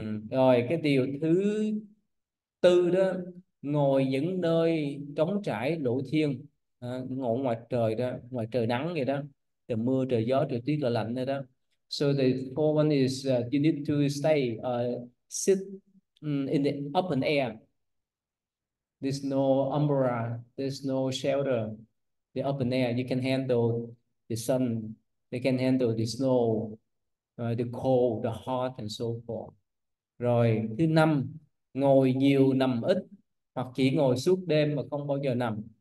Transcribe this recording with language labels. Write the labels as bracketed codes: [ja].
[vi] Rồi cái điều thứ tư đó, ngồi những nơi trống trải lộ thiên, ngồi ngoài trời đó, ngoài trời nắng vậy đó, trời mưa trời gió trời tuyết trời lạnh đây đó. [en] So the fourth one is you need to stay sit in the open air. There's no umbrella, there's no shelter. The open air, you can handle the sun, they can handle the snow, the cold, the hot and so forth. [vi] Rồi thứ năm, ngồi nhiều nằm ít, hoặc chỉ ngồi suốt đêm mà không bao giờ nằm.